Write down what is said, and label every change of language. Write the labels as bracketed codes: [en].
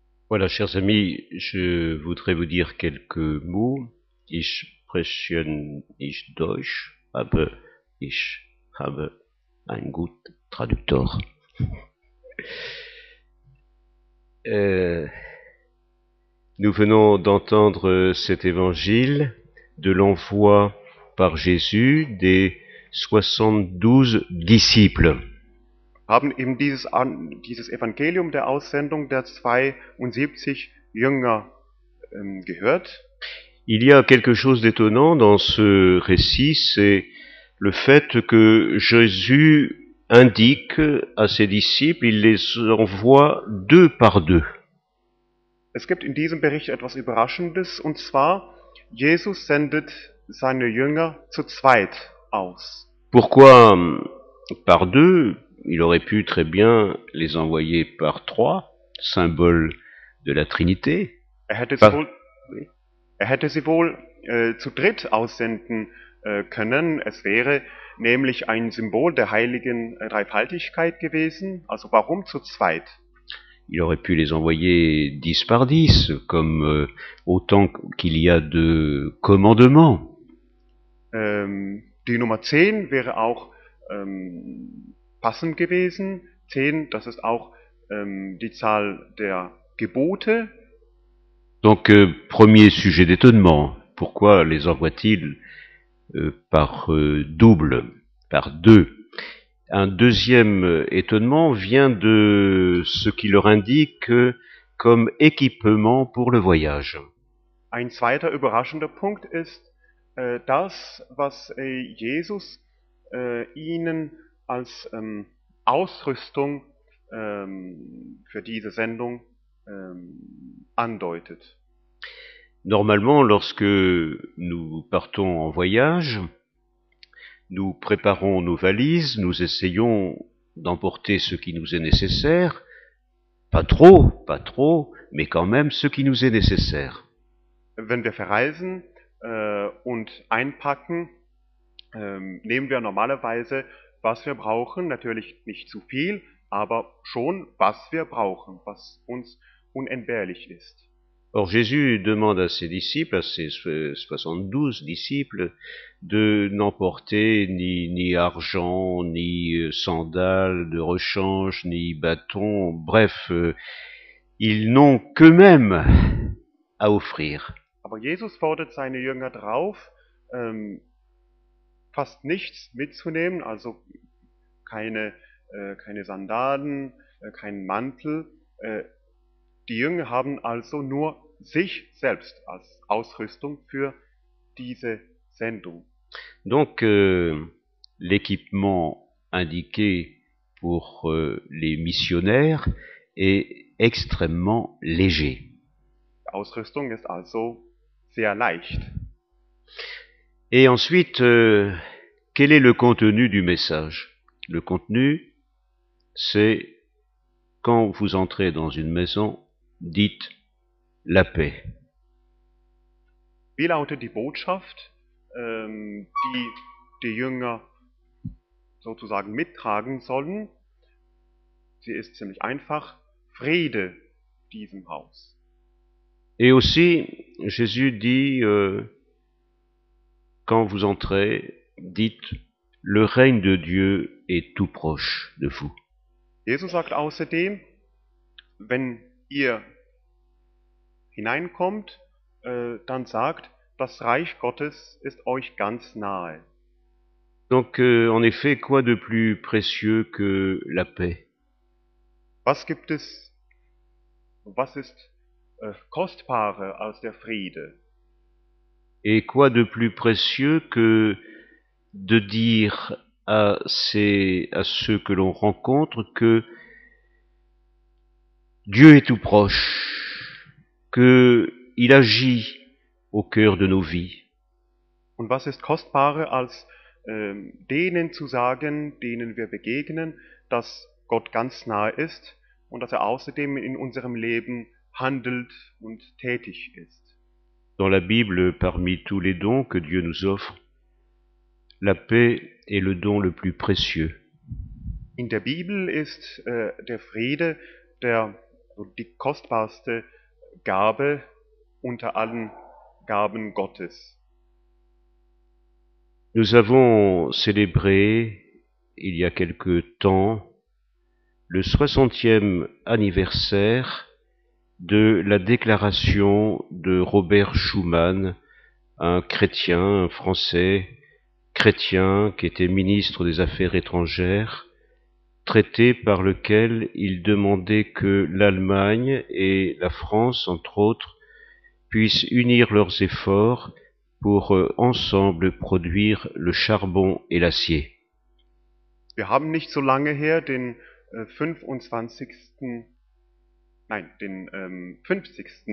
[fr] Voilà, chers amis, je voudrais vous dire quelques mots. [de] Ich spreche nicht Deutsch, aber ich habe einen guten Traduktor. [fr] Nous venons d'entendre cet évangile de l'envoi par Jésus des 72 disciples. [de] Haben eben dieses Evangelium der Aussendung der 72 Jünger gehört. [fr] Il y a quelque chose d'étonnant dans ce récit, c'est le fait que Jésus indique à ses disciples, il les envoie deux par deux. [de] Es gibt in diesem Bericht etwas Überraschendes, und zwar, Jesus sendet seine Jünger zu zweit aus. [fr] Pourquoi par deux? Il aurait pu très bien les envoyer par trois, symbole de la Trinité. [de] Er hätte sie wohl zu dritt aussenden können. Es wäre nämlich ein Symbol der heiligen Dreifaltigkeit gewesen. Also warum zu zweit? [fr] Il aurait pu les envoyer 10 par 10, comme autant qu'il y a de commandements. [de] Die Nummer 10 wäre auch passend gewesen. 10, das ist auch die Zahl der Gebote. [fr] Donc, premier sujet d'étonnement, pourquoi les envoie-t-il par double, par deux? Un deuxième étonnement vient de ce qu'il leur indique comme équipement pour le voyage. [de] Ein zweiter überraschender Punkt ist das, was Jesus ihnen als Ausrüstung für diese Sendung andeutet. [fr] Normalement, lorsque nous partons en voyage, nous préparons nos valises, nous essayons d'emporter ce qui nous est nécessaire, pas trop, mais quand même ce qui nous est nécessaire. [de] Wenn wir verreisen und einpacken, nehmen wir normalerweise, was wir brauchen, natürlich nicht zu viel, aber schon, was wir brauchen, was uns unentbehrlich ist. [fr] Or, Jésus demande à ses disciples, à ses 72 disciples, de n'emporter ni argent, ni sandales de rechange, ni bâtons. Bref, ils n'ont qu'eux-mêmes à offrir. [de] Aber Jesus fordert seine Jünger drauf, fast nichts mitzunehmen, also keine Sandalen, keinen Mantel. Die Jünger haben also nur sich selbst als Ausrüstung für diese Sendung. [fr] Donc, l'équipement indiqué pour les missionnaires est extrêmement léger. [de] Ausrüstung ist also sehr leicht. [fr] Et ensuite, quel est le contenu du message? Le contenu, c'est quand vous entrez dans une maison, dites la paix. [de] Wie lautet die Botschaft, die Jünger sozusagen mittragen sollen? Sie ist ziemlich einfach: Friede diesem Haus. [fr] Et aussi, Jésus dit, quand vous entrez, dites, le règne de Dieu est tout proche de vous. [de] Jesus sagt außerdem: Wenn ihr hineinkommt, dann sagt, das Reich Gottes ist euch ganz nahe. [fr] Donc, en effet, quoi de plus précieux que la paix? [de] Was gibt es, was ist kostbarer als der Friede? [fr] Et quoi de plus précieux que de dire à ceux que l'on rencontre que Dieu est tout proche, que il agit au cœur de nos vies? [de] Und was ist kostbarer als denen zu sagen, denen wir begegnen, dass Gott ganz nahe ist und dass er außerdem in unserem Leben handelt und tätig ist? [fr] Dans la Bible, parmi tous les dons que Dieu nous offre, la paix est le don le plus précieux. [de] In der Bibel ist der Friede der die kostbarste Gabe unter allen Gaben Gottes. [fr] Nous avons célébré il y a quelque temps le 60e anniversaire de la déclaration de Robert Schuman, un chrétien, un français chrétien qui était ministre des Affaires étrangères, traité par lequel il demandait que l'Allemagne et la France, entre autres, puissent unir leurs efforts pour ensemble produire le charbon et l'acier. [de] Wir haben nicht so lange her den 25. Nein, den 50.